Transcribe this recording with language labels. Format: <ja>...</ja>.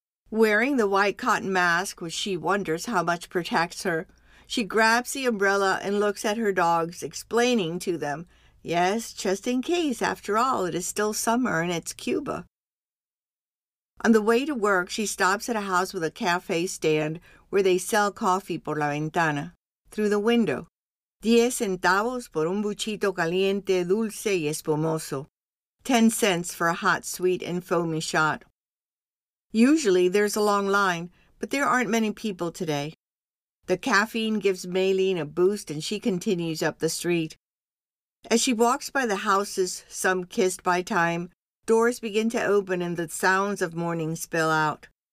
<en>Wearing the white cotton mask, which she wonders how much protects her, she grabs the umbrella and looks at her dogs, explaining to them, yes, just in case, after all, it is still summer and it's Cuba. On the way to work, she stops at a house with a cafe stand where they sell coffee</en> <es>por la ventana,</es> <en>through the window.</en> <es>10 centavos por un buchito caliente, dulce y espumoso.</es> <en>10 cents for a hot, sweet, and foamy shot. Usually, there's a long line, but there aren't many people today. The caffeine gives Maylene a boost, and she continues up the street. As she walks by the houses, some kissed by time, doors begin to open and the sounds of morning spill out.</en>